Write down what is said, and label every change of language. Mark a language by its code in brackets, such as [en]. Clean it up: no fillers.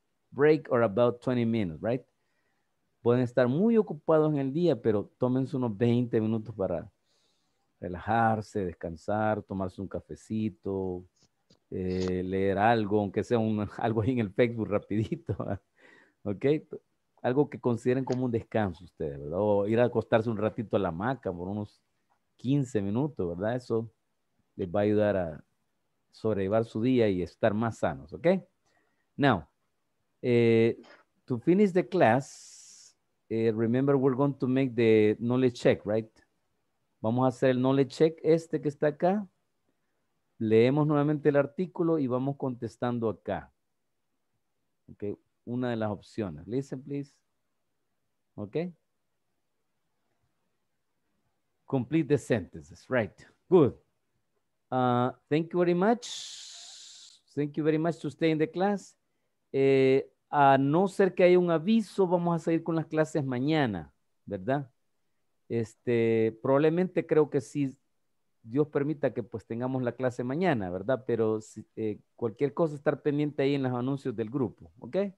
[en] Break or about 20 minutes, right? [es] Pueden estar muy ocupados en el día, pero tómense unos 20 minutos para relajarse, descansar, tomarse un cafecito, leer algo, aunque sea algo ahí en el Facebook rapidito, ¿ok? Algo que consideren como un descanso ustedes, ¿verdad? O ir a acostarse un ratito a la hamaca por unos 15 minutos, ¿verdad? Eso les va a ayudar a sobrellevar su día y estar más sanos, ¿ok? [en] Now, to finish the class, remember, we're going to make the knowledge check, right? [es] Vamos a hacer el knowledge check este que está acá. Leemos nuevamente el artículo y vamos contestando acá. Ok, una de las opciones. [en] Listen, please. [es] Ok. [en] Complete the sentences, right? Good. Thank you very much. Thank you very much to stay in the class. [es] A no ser que haya un aviso, vamos a seguir con las clases mañana. ¿verdad? Este, probablemente creo que sí, Dios permita que pues tengamos la clase mañana, ¿verdad? Pero si, cualquier cosa, estar pendiente ahí en los anuncios del grupo, ¿ok?